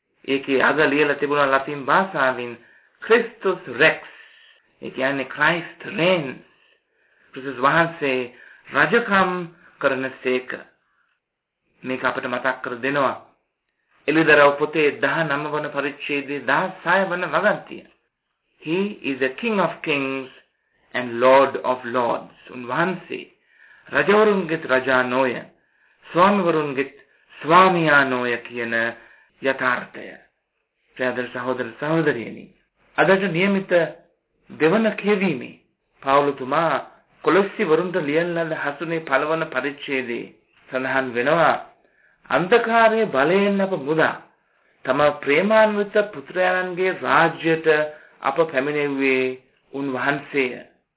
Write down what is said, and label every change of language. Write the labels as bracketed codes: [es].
[si] ඒකේ අග ලියලා තිබුණා ලතින් භාෂාවෙන් ක්‍රිස්තුස් රෙක්ස්. ඒ කියන්නේ ක්‍රයිස්ට් රේන්ස්. ක්‍රිස්තුස් වහන්සේ රජකම් කරන සේක. මේක අපට මතක් කර දෙනවා එළිදරව් පොතේ 19 වන පරිච්ඡේදයේ 16 වන වගන්තිය. [en] He is the king of kings and lord of lords. [si] උන්වහන්සේ රජවරුන්ගෙත් රජා නොය, ස්වාමිවරුන්ගෙත් ස්වාමියා නොය කියන යථාර්ථය. ප්‍රියදර සහෝදර සහෝදරියනි, අදට නියමිත දෙවන කෙවීමේ පාවුලතුමා කොලොස්සි වරුන්ට ලියන්නල හසුනේ පළවන පරිච්ඡේදයේ සඳහන් වෙනවා, අන්ධකාරයේ බලයෙන් අප මුදා තම ප්‍රේමාන්විත පුත්‍රයන්ගේ රාජ්‍යයට අප පැමිණෙව්වේ උන්වහන්සේය.